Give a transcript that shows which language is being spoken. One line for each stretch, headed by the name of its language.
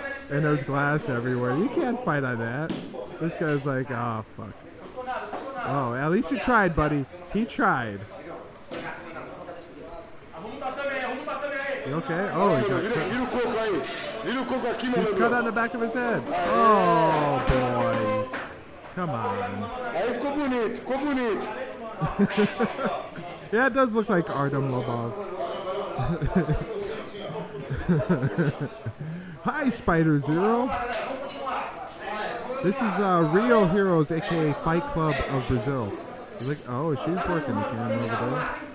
English: And there's glass everywhere. You can't fight on that. This guy's like, oh, fuck. Oh, at least you tried, buddy. He tried. You okay? Oh, he got
Portuguese: Olha o coco aqui, mano.
English: He's cut on the back of his head. Oh, boy. Come on.
Portuguese: Aí ficou bonito, ficou bonito.
English: Yeah, it does look like Artem Lobov. Hi, Spider Zero. This is Rio Heroes, aka Fight Club of Brazil. Like, oh, she's working the camera over there.